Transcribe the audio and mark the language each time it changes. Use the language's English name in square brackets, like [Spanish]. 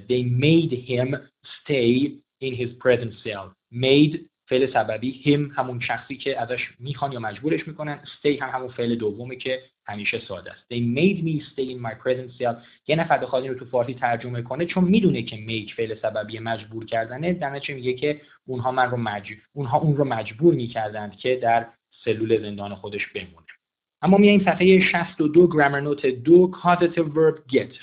[English] They made him stay in his present self. [Persian] Made فعل سببی، him همون شخصی که ازش میخوان یا مجبورش میکنن، stay هم همون فعل دومه که همیشه ساده است. [English] They made me stay in my present self. [Persian] یه نفر بخواد این رو تو فارسی ترجمه کنه، چون میدونه که make فعل سببی مجبور کردنه، درنچه میگه که اونها من رو مجبور، اونها اون رو مجبور میکردند که در سلول زندان خودش بمونه. اما میایم صفحه 62 گرامر نوت 2 causative verb get.